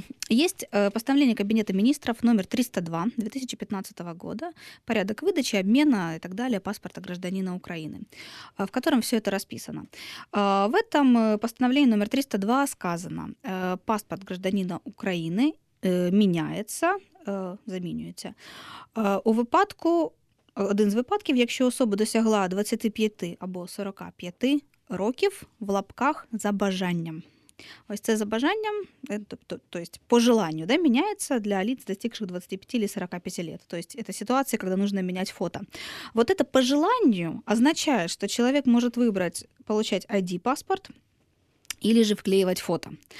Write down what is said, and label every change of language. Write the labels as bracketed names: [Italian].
[Russian] Есть постановление Кабинета министров номер 302 2015 года, порядок выдачи, обмена и так далее паспорта гражданина Украины, в котором все это расписано. В этом постановлении номер 302 сказано: паспорт гражданина Украины меняется, замінюється. [Ukrainian] У випадку, один з випадків, якщо особа досягла 25 або 45 років в лапках за бажанням. Ось це за бажанням, [Russian] то есть по желанию, да, меняется для лиц, достигших 25 или 45 лет. То есть это ситуация, когда нужно менять фото. Вот это по желанию означает, что человек может выбрать получать ID-паспорт, или же вклеивать фото.